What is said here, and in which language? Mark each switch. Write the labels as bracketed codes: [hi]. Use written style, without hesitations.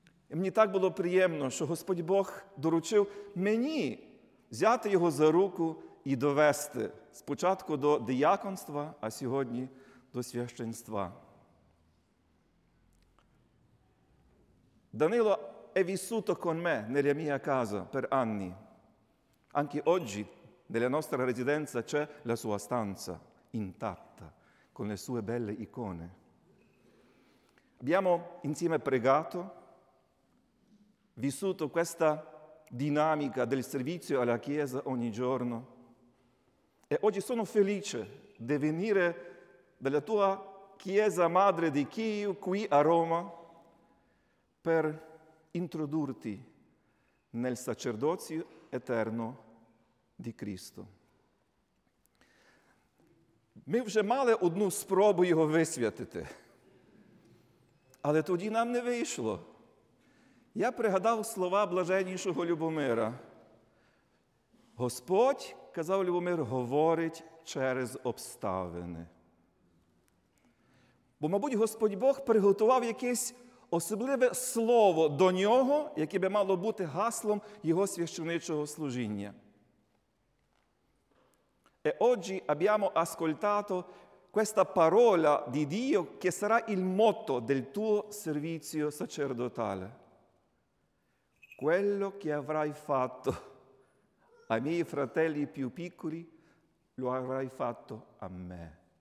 [uk] І мені так було приємно, що Господь Бог доручив мені взяти його за руку і довести спочатку до дияконства, а сьогодні до священства. [it] Данило è vissuto con me nella mia casa per anni. Anche oggi nella nostra residenza c'è la sua stanza intatta con le sue belle icone. Abbiamo insieme pregato, vissuto questa dinamica del servizio alla Chiesa ogni giorno. E oggi sono felice di venire dalla tua Chiesa Madre di Kyiv, qui a Roma, per introdurti nel sacerdozio eterno di Cristo. [uk] Ми вже мали одну спробу Його висвятити, але тоді нам не вийшло. Я пригадав слова блаженнішого Любомира. Господь, казав Любомир, говорить через обставини. Бо, мабуть, Господь Бог приготував якесь особливе слово до Нього, яке би мало бути гаслом Його священичого служіння. [it] E oggi abbiamo ascoltato questa parola di Dio che sarà il motto del tuo servizio sacerdotale. Quello che avrai fatto ai miei fratelli più piccoli, lo avrai fatto a me.